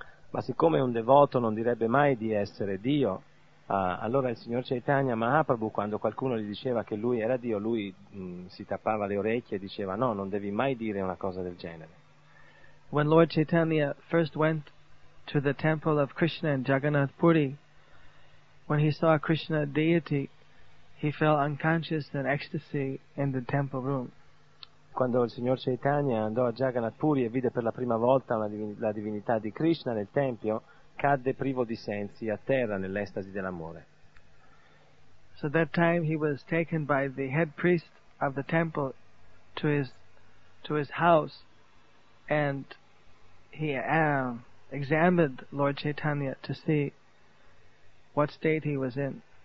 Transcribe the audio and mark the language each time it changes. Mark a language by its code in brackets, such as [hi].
[it] Ma siccome un devoto non direbbe mai di essere Dio, allora il signor Chaitanya Mahaprabhu, quando qualcuno gli diceva che lui era Dio, lui si tappava le orecchie e diceva, no, non devi mai dire una cosa del genere. [en] When Lord Chaitanya first went to the temple of Krishna in Jagannath Puri, when he saw Krishna deity, he fell unconscious in ecstasy in the temple room. [it] Quando il signor Chaitanya andò a Jagannath Puri e vide per la prima volta la divinità di Krishna nel tempio, cadde privo di sensi a terra nell'estasi dell'amore. [en] So that time he was taken by the head priest of the temple to his house, and he examined Lord Chaitanya to see what state he was in.